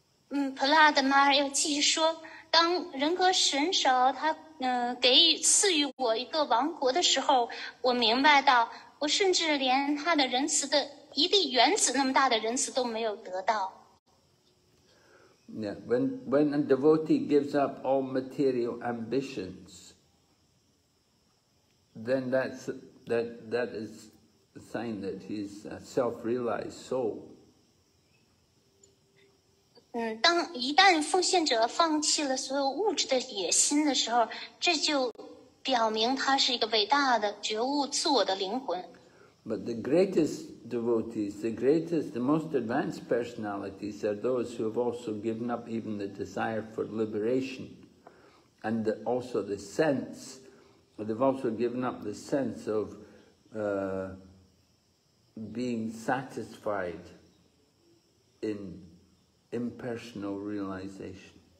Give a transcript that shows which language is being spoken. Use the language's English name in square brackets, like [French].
[Chinese] Prahlad Maharaj 又继续说，当人格神手他赐予我一个王国的时候，我明白到我甚至连他的仁慈的一粒原子那么大的仁慈都没有得到。 [English] Yeah, when a devotee gives up all material ambitions, then that is a sign that he's a self-realized soul. [Chinese] 当一旦奉献者放弃了所有物质的野心的时候，这就表明他是一个伟大的觉悟自我的灵魂。 [English] But the greatest devotees, the greatest, the most advanced personalities are those who have also given up even the desire for liberation and also the sense, they've also given up the sense of being satisfied in impersonal realization.